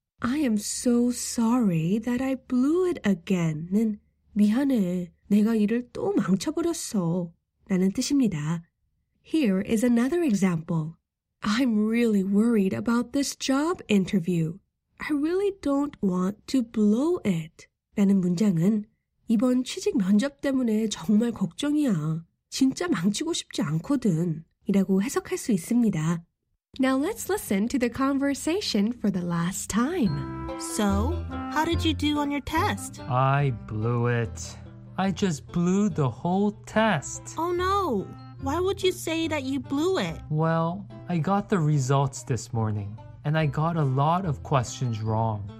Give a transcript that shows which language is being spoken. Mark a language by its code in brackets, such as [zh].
[en] I am so sorry that I blew it again. [ko] 미안해. 내가 일을 또 망쳐버렸어. 라는 뜻입니다. [en] Here is another example. I'm really worried about this job interview. I really don't want to blow it. [ko] 라는 문장은 이번 취직 면접 때문에 정말 걱정이야. 진짜 망치고 싶지 않거든. 이라고 해석할 수 있습니다. [en] Now let's listen to the conversation for the last time. So, how did you do on your test? I blew it. I just blew the whole test. Oh no! Why would you say that you blew it? Well, I got the results this morning, and I got a lot of questions wrong.